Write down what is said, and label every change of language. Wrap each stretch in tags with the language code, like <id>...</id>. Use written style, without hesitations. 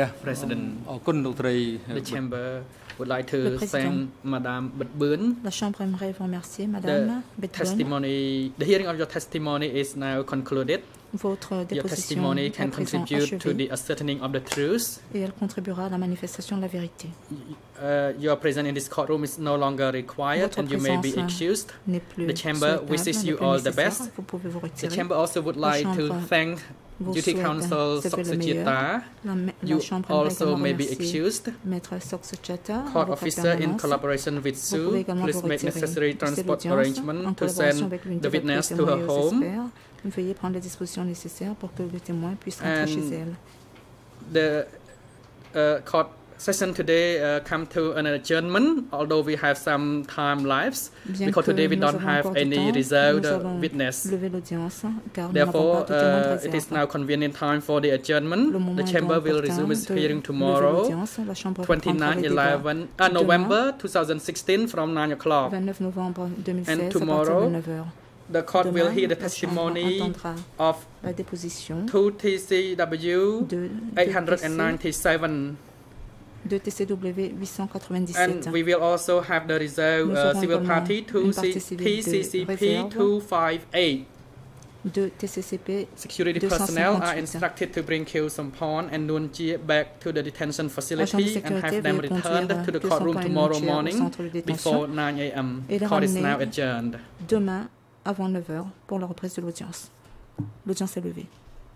<en>President, the chamber would like to thank Madame Bitburn.</en> <fr>La chambre aimerait vous remercier Madame Bitburn.</fr> <en>The hearing of your testimony is now concluded.</en> <fr>Votre déposition est à présent achevée et elle contribuera à la manifestation de la vérité.</fr> <en>Your presence in this courtroom is no longer required, and you may be excused. The chamber wishes you all the best.</en> <fr>Vous pouvez vous retirer.</fr> <en>The chamber also would like to thank Duty Counsel Soxuchita. You also may be excused. Court officer in collaboration with Sue, please make necessary transport arrangements to send the witness to her home.</en> <fr>Veuillez prendre les dispositions nécessaires pour que le témoin puisse rentrer chez elle.</fr> <en>The court session today come to an adjournment, although we have some time left, because today we don't have any reserved witness. Therefore, it is now convenient time for the adjournment. The chamber will resume its hearing tomorrow, 29 November 2016, from 9 o'clock. And tomorrow, the court will hear the testimony of 2TCW 897.</en> <fr>De TCW 897.</fr> <en>And we will also have the reserve civil party to TCCP 258.</en> <fr>De TCCP</fr> <en>security</en> <fr>258.</fr> <en>Personnel are instructed to bring Kyu Somphorn and Nun Chie back to the detention facility and have them returned to the courtroom tomorrow morning before 9 a.m. The court is now adjourned.</en> <fr>Demain avant 9 h pour la reprise de l'audience. L'audience est levée.</fr>